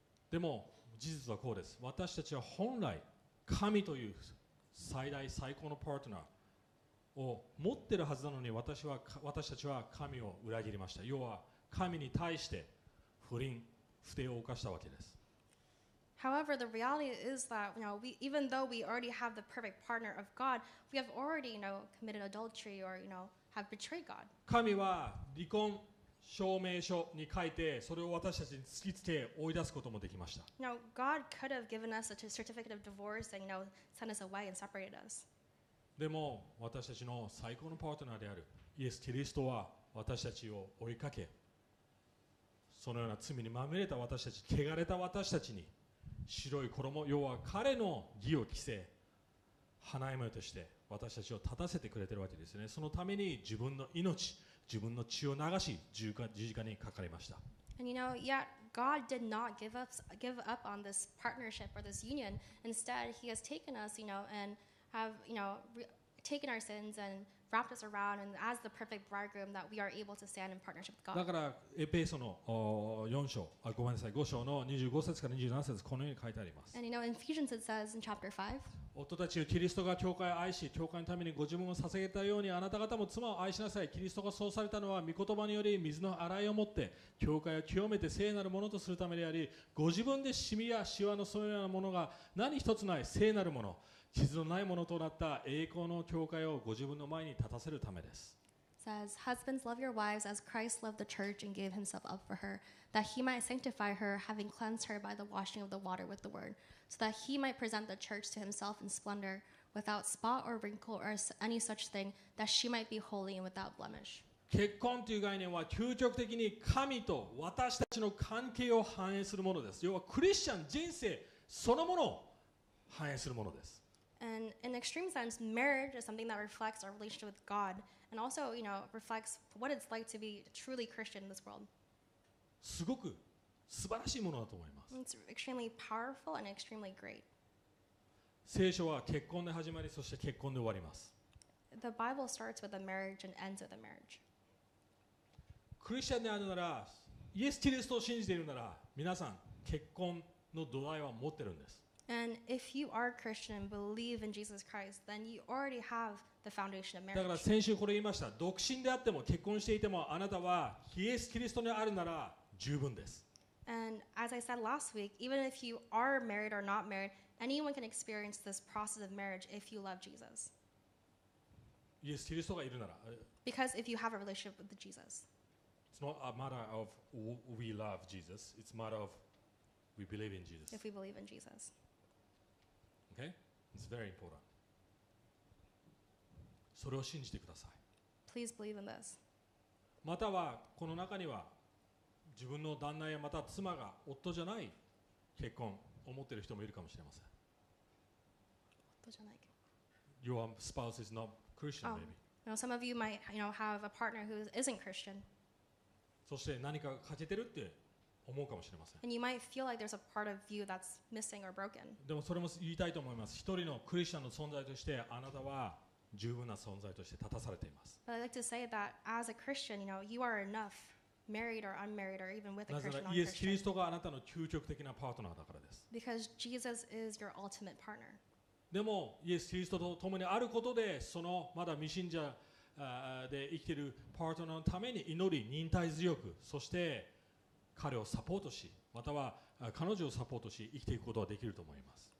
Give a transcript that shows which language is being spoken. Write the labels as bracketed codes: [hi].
[ja] でも事実はこうです。私たちは本来神という最大最高のパートナー、を持ってるはずなのに私たちは神を裏切りました。要は神に対して不倫、不貞を犯したわけです。 [en] However, the reality is that, you know, we, even though we already have the perfect partner of God, we have already, you know, committed adultery or, you know, have betrayed God. [ja] 神は離婚証明書に書いてそれを私たちに突きつけ追い出すこともできました。 [en] Now, God could have given us a certificate of divorce and, you know, sent us away and separated us. [ja] でも私たちの最高のパートナーであるイエス・キリストは私たちを追いかけ、そのような罪にまみれた私たち、汚れた私たちに白い衣、要は彼の義を着せ、花嫁として私たちを立たせてくれているわけですね。そのために自分の命、自分の血を流し十字架にかかりました。 [en] And you know, yet God did not give up on this partnership or this union. Instead, he has taken us, you know, and have, you know, taken our sins and wrapped us around and as the perfect bridegroom that we are able to stand in partnership with God. [ja] だからエペソの4章、あ、ごめんなさい、5章の25節から27節、このように書いてあります。 [en] And you know, in Ephesians it says in chapter 5, [ja] 夫たちよ、キリストが教会を愛し、教会のためにご自分を捧げたように、あなた方も妻を愛しなさい。キリストがそうされたのは、御言葉により水の洗いをもって、教会を清めて聖なるものとするためであり、ご自分でシミやシワのそのようなものが何一つない聖なるもの、傷のないものとなった栄光の教会をご自分の前に立たせるためです。 [en] Says, husbands, love your wives as Christ loved the church and gave himself up for her, that he might sanctify her, having cleansed her by the washing of the water with the word, so that he might present the church to himself in splendor, without spot or wrinkle or any such thing, that she might be holy and without blemish. [ja] 結婚という概念は究極的に神と私たちの関係を反映するものです。要はクリスチャン人生そのものを反映するものです。 [en] And in extreme sense, marriage is something that reflects our relationship with God, and also, you know, reflects what it's like to be truly Christian in this world. [ja] すごく素晴らしいものだと思います。 [en] It's extremely powerful and extremely great. [ja] 聖書は結婚で始まり、そして結婚で終わります。 [en] The Bible starts with a marriage and ends with a marriage. [ja] クリスチャンであるなら、イエス・キリストを信じているなら、皆さん結婚の土台は持ってるんです。 [en] And if you are Christian and believe in Jesus Christ, then you already have the foundation of marriage. [ja] だから先週これ言いました。独身であっても結婚していてもあなたはイエス・キリストにあるなら十分です。 [en] And as I said last week, even if you are married or not married, anyone can experience this process of marriage if you love Jesus. [ja] イエス・キリストがいるなら。 [en] Because if you have a relationship with Jesus. It's not a matter of we love Jesus. It's a matter of we believe in Jesus. If we believe in Jesus. Okay? It's very important. [ja] それを信じてください。 [en] Please believe in this. [ja] またはこの中には自分の旦那やまた妻が夫じゃない結婚を持っている人もいるかもしれません。夫じゃない。 [en] Your spouse is not Christian, maybe. Now, some of you might, you know, have a partner who isn't Christian. [ja] そして何か欠けてるって。思うかもしれません。 [en] And you might feel like there's a part of you that's missing or broken. [ja] でもそれも言いたいと思います。一人のクリスチャンの存在としてあなたは十分な存在として立たされています。 [en] But I'd like to say that as a Christian, you know, you are enough, married or unmarried, or even with a Christian. [ja] なぜならイエス・キリストがあなたの究極的なパートナーだからです。 [en] Because Jesus is your ultimate partner. [ja] でもイエス・キリストと共にあることでそのまだ未信者で生きているパートナーのために祈り、忍耐強く、そして彼をサポートし、または彼女をサポートし、生きていくことはできると思います。